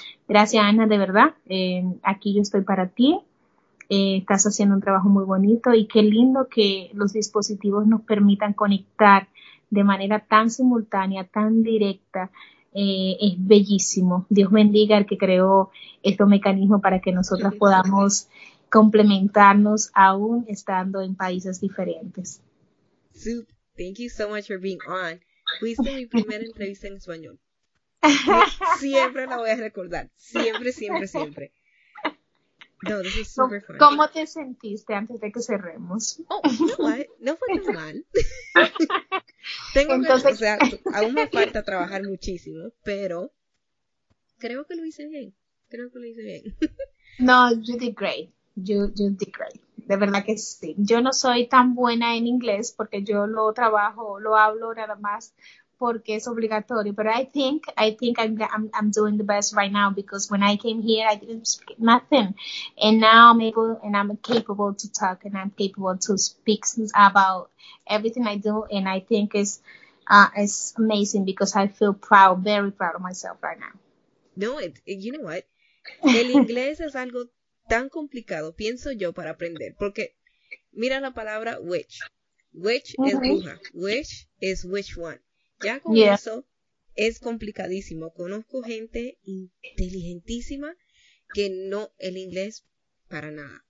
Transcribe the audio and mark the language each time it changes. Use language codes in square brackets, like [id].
[es] Gracias, Ana, de verdad. Aquí yo estoy para ti. Estás haciendo un trabajo muy bonito y qué lindo que los dispositivos nos permitan conectar de manera tan simultánea, tan directa. Es bellísimo. Dios bendiga al que creó estos mecanismos para que nosotras podamos complementarnos aún estando en países diferentes. [en] Sue, thank you so much for being on. [es] Fuiste mi primera entrevista en español. Te, siempre la voy a recordar. Siempre, siempre, siempre. [en] No, this is super funny. [es] ¿Cómo te sentiste antes de que cerremos? [en] Oh, you know what? [es] No fue tan mal. Tengo que, o Entonces, sea, aún me falta trabajar muchísimo, pero creo que lo hice bien. Creo que lo hice bien. [en] no, you did great. You did great. [es] De verdad que sí. Yo no soy tan buena en inglés porque yo lo trabajo, lo hablo nada más porque es obligatorio. [en] Pero I think I'm doing the best right now because when I came here, I didn't speak nothing. And now I'm able and I'm capable to talk and I'm capable to speak about everything I do. And I think it's amazing because I feel proud, very proud of myself right No, you know what? now. [es] El inglés es algo tan complicado, pienso yo, para aprender. Porque mira la palabra witch. Witch es bruja. Witch es which one. Ya con eso es complicadísimo. Conozco gente inteligentísima que no el inglés para nada.